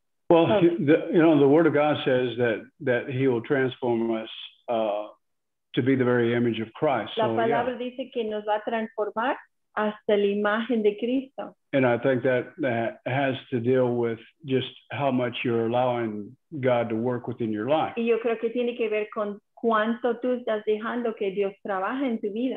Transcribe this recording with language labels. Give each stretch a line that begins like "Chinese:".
English: Well, the Word of God says that He will transform us to be the very image of Christ.
Spanish: La palabra dice que nos va a transformar hasta la imagen de Cristo. And I think that has to deal with just how much you're allowing God to work within your life. Y yo creo que tiene que ver con cuánto tú estás dejando que Dios trabaje en tu vida.